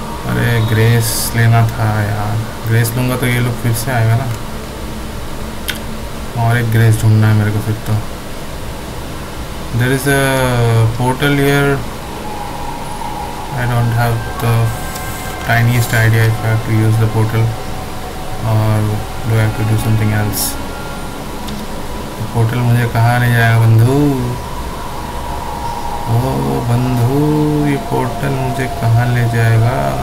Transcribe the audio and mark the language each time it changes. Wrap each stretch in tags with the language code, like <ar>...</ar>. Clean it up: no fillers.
<hi>अरे ग्रेस लेना था यार, ग्रेस लूंगा तो ये लोग फिर से आएगा ना। और एक ग्रेस ढूंढना है मेरे को फिर तो।</hi> <en>There is a portal here, I don't don't have the tiniest idea if I have to use the portal or do I have to do something else. The portal</en> <hi>मुझे कहाँ ले जाएगा बंधु? ओ बंधु, ये portal मुझे कहाँ ले जाएगा?</hi>